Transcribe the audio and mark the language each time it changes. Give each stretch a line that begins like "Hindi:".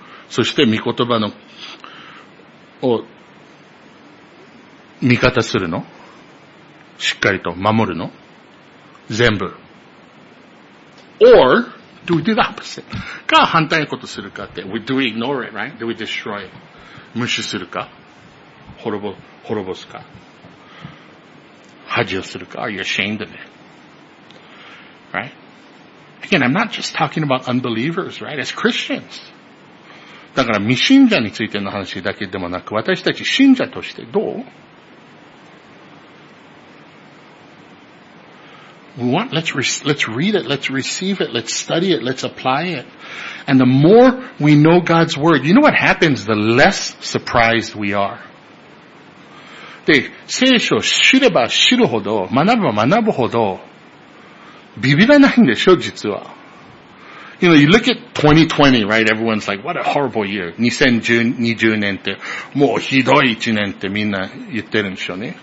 Japanese: そして御言葉のを味方するの、しっかりと守るの、全部。
English: Or do we do the opposite?
Japanese: か反対のことするかって、
English: do we ignore it, right? Do we destroy it?
Japanese: 無視するか、滅ぼすか、恥をするか、
English: are you ashamed of it? Right? Again, I'm not just talking about unbelievers, right? As Christians.
Japanese: だから未信者についての話だけでもなく、私たち信者としてどう？
English: We want, let's read it, let's receive it, let's study it, let's apply it. And the more we know God's word, you know what happens? The less surprised we are.
Japanese: で、聖書を知れば知るほど、学べば学ぶほど、ビビらないんでしょ、実は。
English: You know, you look at 2020, right? Everyone's like, what a horrible year.
Japanese: 2020 年って、もうひどい一年ってみんな言ってるんでしょうね。